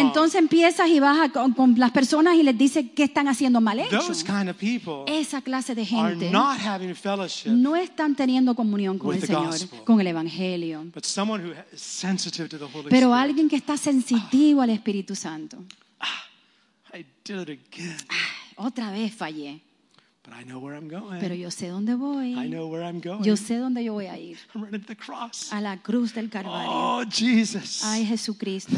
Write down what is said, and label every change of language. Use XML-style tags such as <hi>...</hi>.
<es>Entonces empiezas y vas con las personas y les dices qué están haciendo mal hecho.</es> <en>Those kind of people.</en> <es>Esa clase de gente.</es> <en>Are not having fellowship.</en> <es>No están teniendo comunión con el Señor, con el evangelio.</es> <en>But someone who is sensitive to the Holy Spirit.</en> <es>Pero alguien que está sensitivo al Espíritu Santo.</es> <en>I did it again.</en> <es>Otra vez fallé.</es> <en>But I know where I'm going.</en> <es>Pero yo sé dónde voy.</es> <en>I know where I'm going.</en> <es>Yo sé dónde yo voy a ir.</es> <en>I'm running to the cross.</en> <es>A la cruz del Calvario.</es> <en>Oh, Jesus.</en> <es>Ay, Jesucristo.</es>